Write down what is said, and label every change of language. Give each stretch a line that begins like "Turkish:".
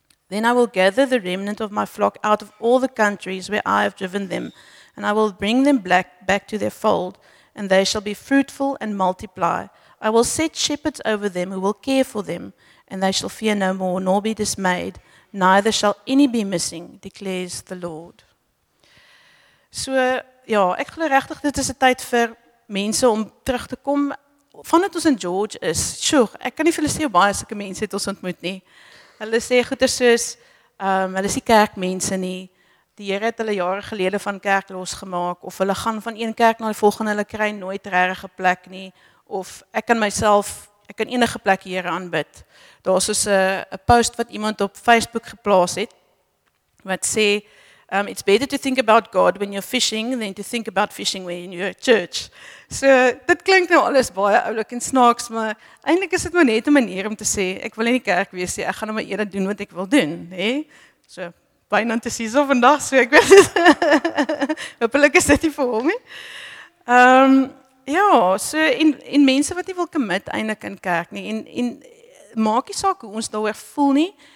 English: Then I will gather the remnant of my flock out of all the countries where I have driven them, and I will bring them back to their fold, and they shall be fruitful and multiply. I will set shepherds over them who will care for them, and they shall fear no more, nor be dismayed, neither shall any be missing, declares the Lord.
Afrikaans: So, ja, ek glo regtig dit is 'n tyd vir mense om terug te kom. Vandat ons in George is, sjoeg, ek kan nie vir julle sê hoe baie sulke mense het ons ontmoet nie. Hulle sê goeders soos, hulle is nie kerkmense nie. Die Here het hulle jare gelede van kerk losgemaak, of hulle gaan van een kerk na die volgende, hulle kry nooit regte plek nie. Of ek kan myself, ek kan enige plek die Here aanbid. Daar is soos 'n post wat iemand op Facebook geplaas het, wat sê,
English: it's better to think about God when you're fishing than to think about fishing when you're at church.
Afrikaans: So, dit klink nou alles baie oulik en snaaks, maar eintlik is dit maar net 'n manier om te sê, ek wil in die kerk wees, ek gaan maar eerder doen wat ek wil doen, hè? So, byna te sies of vandag, so ek weet. Hopelik is dit nie vir hom nie. Ja, so en mense wat nie wil commit eintlik in kerk nie en maak nie saak hoe ons daaroor voel nie.